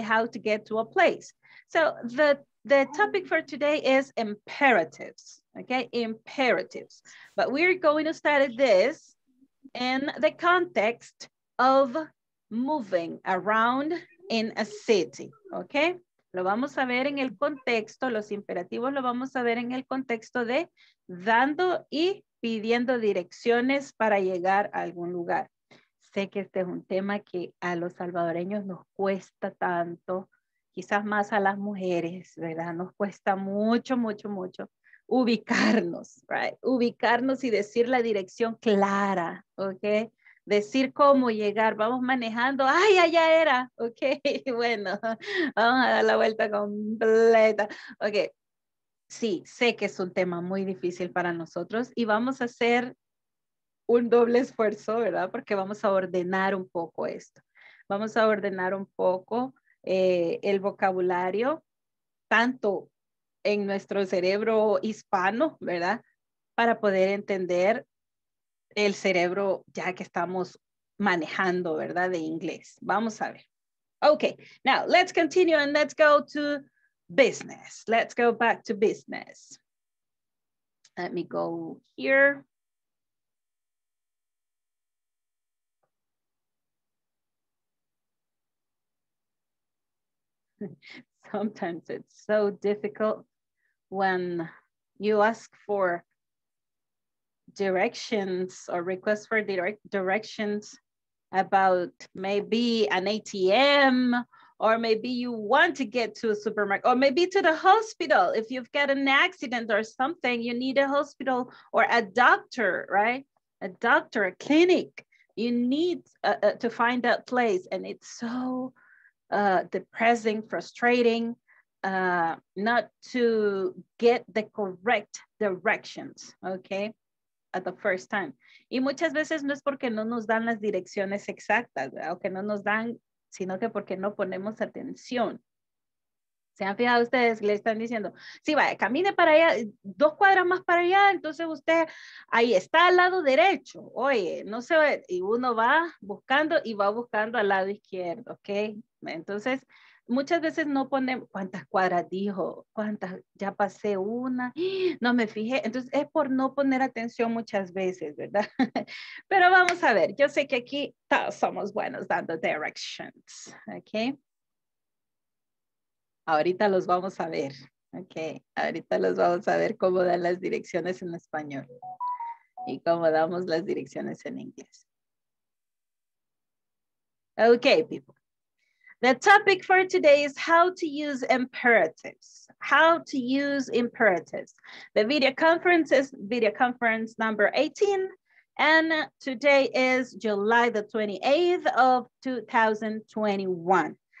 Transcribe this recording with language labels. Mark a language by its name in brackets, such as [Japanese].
[English] How to get to a place. So the topic for today is imperatives, okay? Imperatives. But we're going to study this in the context of moving around in a city, okay? [Spanish] Lo vamos a ver en el contexto, los imperativos lo vamos a ver en el contexto de dando y pidiendo direcciones para llegar a algún lugar. Sé que este es un tema que a los salvadoreños nos cuesta tanto, quizás más a las mujeres, ¿verdad? Nos cuesta mucho, mucho, mucho ubicarnos, right? Ubicarnos y decir la dirección clara, ¿ok? Decir cómo llegar, vamos manejando, ¡ay, allá era! Ok, bueno, vamos a dar la vuelta completa, ¿ok? Sí, sé que es un tema muy difícil para nosotros y vamos a hacer un doble esfuerzo, ¿verdad? Porque vamos a ordenar un poco esto. Vamos a ordenar un poco el vocabulario, tanto en nuestro cerebro hispano, ¿verdad? Para poder entender el cerebro ya que estamos manejando, ¿verdad? De inglés. Vamos a ver. [English] Okay, now let's continue and let's go to business. Let's go back to business. Let me go here. Sometimes it's so difficult when you ask for directions or request for directions about maybe an ATM or maybe you want to get to a supermarket, or maybe to the hospital. If you've got an accident or something, you need a hospital or a doctor, right? A doctor, a clinic. You need to find that place. And it's so depressing, frustrating, not to get the correct directions, okay? At the first time. [Spanish] Y muchas veces no es porque no nos dan las direcciones exactas, ¿verdad? O que no nos dan, sino que porque no ponemos atención. ¿Se han fijado ustedes? Le están diciendo, sí, vaya, camine para allá, dos cuadras más para allá, entonces usted ahí está al lado derecho. Oye, no se ve. Y uno va buscando y va buscando al lado izquierdo, ¿ok? Entonces, muchas veces no ponemos, ¿cuántas cuadras dijo? ¿Cuántas? Ya pasé una, no me fijé. Entonces, es por no poner atención muchas veces, ¿verdad? Pero vamos a ver, yo sé que aquí todos somos buenos dando directions, ¿ok? Ahorita los vamos a ver, ok. Ahorita los vamos a ver cómo dan las direcciones en español y cómo damos las direcciones en inglés. [English] Ok, people. The topic for today is how to use imperatives. How to use imperatives. The video conference is video conference number 18. And today is July the 28th of 2021.